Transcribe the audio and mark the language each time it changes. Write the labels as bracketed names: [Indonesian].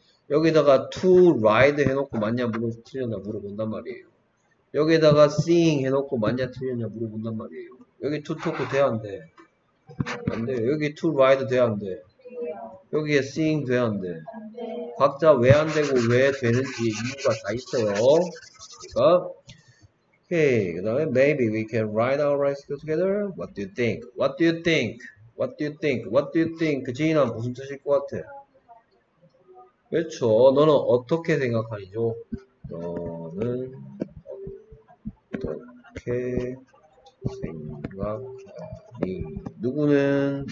[Korean] 여기다가 to ride 해놓고 맞냐 틀렸냐 물어본단 말이에요. 여기다가 seeing 해놓고 맞냐 틀렸냐 물어본단 말이에요. 여기 to talk 돼안 돼? 안 돼. 여기 to ride 돼안 돼? 여기에 seeing 돼안 돼? 각자 왜안 되고 왜 되는지 이유가 다 있어요. 그러니까 오케이. [English] 그다음에 maybe we can ride our bicycle together. What do you think? What do you think? What do you think? What do you think? [Korean] 지인아, 무슨 뜻일 것 같아? 그렇죠. 너는 어떻게 생각하니죠? 너는 어떻게 생각하니? 누구는?